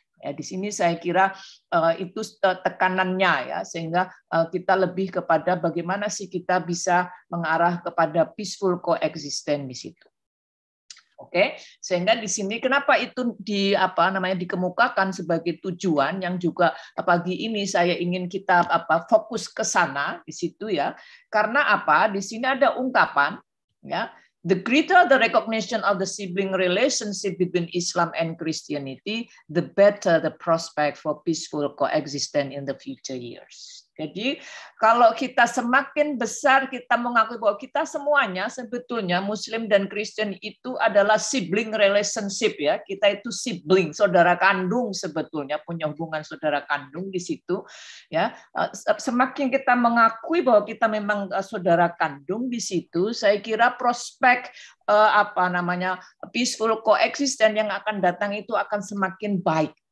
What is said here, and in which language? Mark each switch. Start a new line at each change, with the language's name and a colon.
Indonesian: Ya, di sini saya kira itu tekanannya ya, sehingga kita lebih kepada bagaimana sih kita bisa mengarah kepada peaceful coexistence di situ. Oke, sehingga di sini kenapa itu di apa namanya dikemukakan sebagai tujuan yang juga pagi ini saya ingin kita apa fokus ke sana di situ ya. Karena apa?
English: Di sini ada ungkapan ya, the greater the recognition of the sibling relationship between Islam and Christianity, the better the prospect for peaceful coexistence in the future years.
Indonesian: Jadi kalau kita semakin besar kita mengakui bahwa kita semuanya sebetulnya Muslim dan Kristen itu adalah sibling relationship ya, kita itu sibling, saudara kandung sebetulnya, punya hubungan saudara kandung di situ ya. Semakin kita mengakui bahwa kita memang saudara kandung di situ, saya kira prospek apa namanya peaceful coexistence yang akan datang itu akan semakin baik.